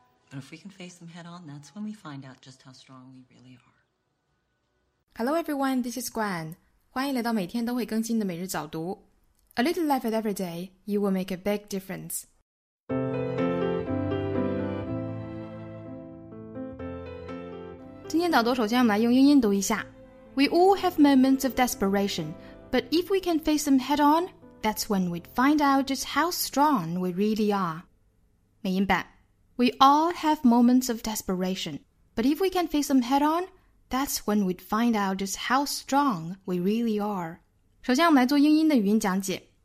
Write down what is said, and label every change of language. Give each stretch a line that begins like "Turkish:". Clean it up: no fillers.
English: But if we can face them head on, that's when we find out just how strong we really are. Hello everyone, this is Gwen.
Chinese: 欢迎来到每天都会更新的每日早读。
English: A little effort every day, you will make a big difference.
Chinese: 今天早读首先我们来用英音读一下。
English: We all have moments of desperation, but if we can face them head on, that's when we'd find out just how strong we really are.
Chinese: 美音版
English: We all have moments of desperation, but if we can face them head on, that's when we'd find out just how strong we really are.
Chinese: 首先我们来做英音的语音讲解。